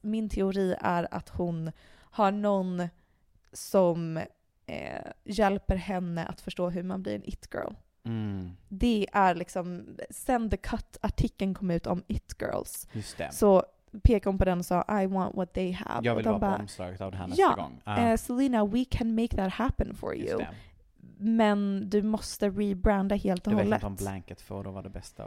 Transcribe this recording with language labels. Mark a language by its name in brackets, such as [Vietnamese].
[Swedish] Min teori är att hon har någon som hjälper henne att förstå hur man blir en it-girl. Mm. Det är liksom, sen The Cut-artikeln kom ut om it-girls. Just det. Så pekar hon på den och sa [English] I want what they have. [Swedish] Jag vill och de vara på omslaget av det här nästa gång. [English] Selena, we can make that happen for you. [Swedish] Men du måste rebranda helt och jag hållet. Jag vet inte om blanket för då var det bästa.